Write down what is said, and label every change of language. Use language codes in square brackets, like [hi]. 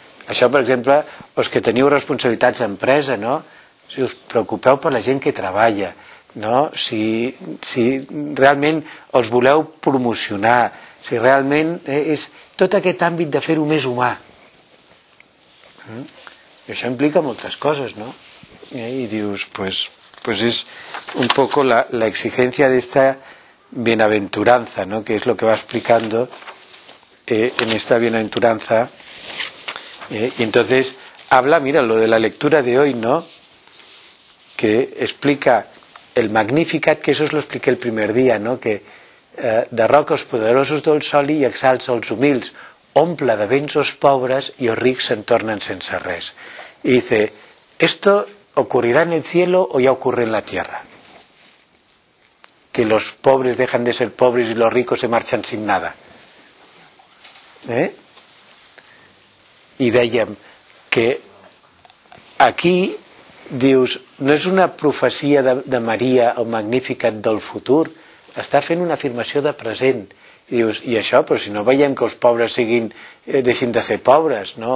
[ca] Això, per exemple, els que teniu responsabilitats d'empresa, no? Si us preocupeu per la gent que treballa, no? Si realment els voleu promocionar, si realment és tot aquest àmbit de fer-ho més humà. I això implica moltes coses, no? [es] Y dios, pues es un poco la exigencia de esta bienaventuranza, ¿no? Que es lo que va explicando en esta bienaventuranza. Y entonces habla, mira, lo de la lectura de hoy, ¿no? Que explica el Magnificat, que eso os lo expliqué el primer día, ¿no? [ca] Que derroca els poderosos del sol i exalça els humils, omple de béns els pobres i els rics se'n tornen sense res. [es] I dice, esto ocurrirá en el cielo o ya ocurre en la tierra. Que los pobres dejan de ser pobres y los ricos se marchan sin nada. [ca] I dèiem que aquí dius, no és una profecia de Maria o Magnificat del futur, està fent una afirmació de present. I dius, i això, però si no veiem que els pobres siguin, deixin de ser pobres, no?